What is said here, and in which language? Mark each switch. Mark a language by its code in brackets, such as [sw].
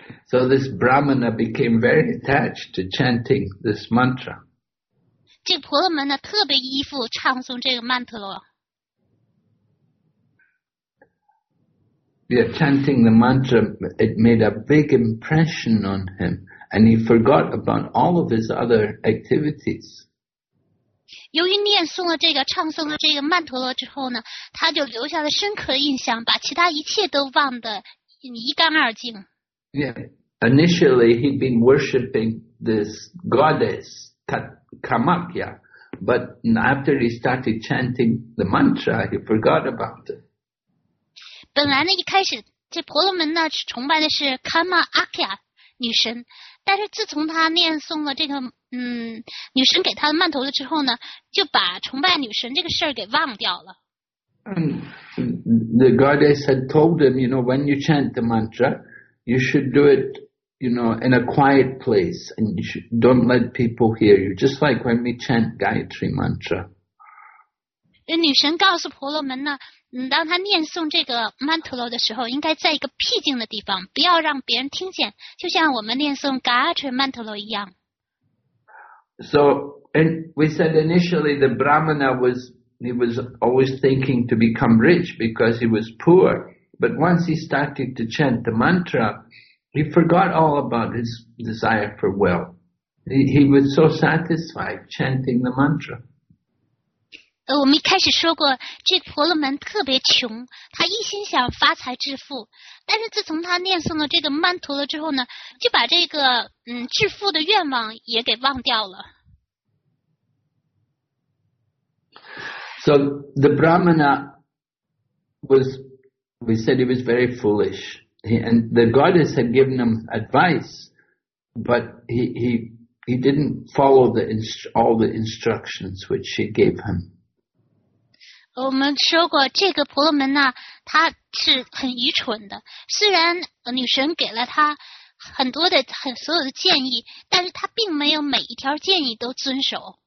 [en] So this brahmana became very attached to chanting this mantra. [zh] 这婆罗门呢，特别依附唱诵这个曼陀罗。 [en] Yeah, chanting the mantra, it made a big impression on him, and he forgot about all of his other activities. [zh] 由于念诵了这个唱诵了这个曼陀罗之后呢，他就留下了深刻印象，把其他一切都忘得一干二净。 [en] Yeah, initially he'd been worshipping this goddess Kamakya, but after he started chanting the mantra, he forgot about it. [zh] 本来呢，一开始这婆罗门呢是崇拜的是卡玛阿卡女神，但是自从他念诵了这个女神给他的曼陀罗之后呢，就把崇拜女神这个事儿给忘掉了。 [en] The goddess had told him, you know, when you chant the mantra, you should do it, you know, in a quiet place, and you should, don't let people hear you, just like when we chant Gayatri mantra. [zh] 女神告诉婆罗门呢，当他念诵这个曼陀罗的时候，应该在一个僻静的地方，不要让别人听见，就像我们念诵嘎阿垂曼陀罗一样。 [en] So, and we said initially the brahmana was always thinking to become rich because he was poor. But once he started to chant the mantra, he forgot all about his desire for wealth. He was so satisfied chanting the mantra. [zh] 我们一开始说过，这个婆罗门特别穷，他一心想发财致富。但是自从他念诵了这个曼陀罗之后呢，就把这个致富的愿望也给忘掉了。 [en] So the brahmana was very foolish. And the goddess had given him advice, but he didn't follow all the instructions which she gave him. [zh] 我们说过这个婆罗门呢，他是很愚蠢的，虽然女神给了他很多的很所有的建议，但是他并没有每一条建议都遵守。